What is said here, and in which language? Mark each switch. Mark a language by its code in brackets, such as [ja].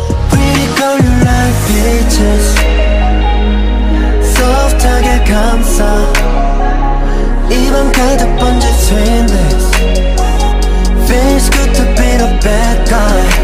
[en] Pretty girl, you like peaches. [ko] Soft 하게 감싸. 입안 가득 번진 sweetness. [en] Feels good to be the bad guy.